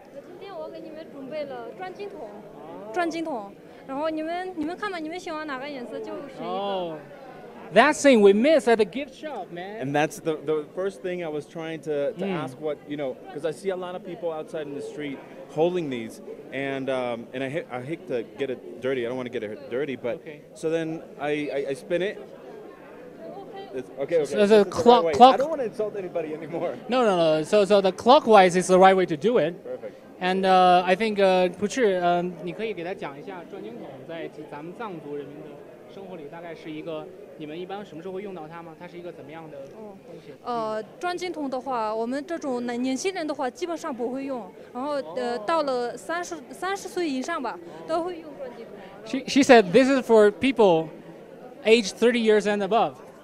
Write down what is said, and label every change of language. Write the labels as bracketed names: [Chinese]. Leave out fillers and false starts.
[Chinese] 今天我给你们准备了转经筒，然后你们看吧，你们喜欢哪个颜色就选一个。 [English] That thing we miss at the gift shop, man. And that's the first thing I was trying to ask what, you know, because I see a lot of people outside in the street holding these, and I hate to get it dirty. I don't want to get it dirty, but okay. So then I spin it. Okay. So clock. I don't want to insult anybody anymore. No. So the clockwise is the right way to do it. Perfect. And I think, [Chinese] Puchi, 你可以给他讲一下转经筒在咱们藏族人民的生活里大概是一个。你们一般什么时候会用到它吗？它是一个怎么样的东西？转经筒的话，我们这种年轻人的话基本上不会用，然后到了三十岁以上吧，都会用转经筒。 [English] She said this is for people age 30 years and above.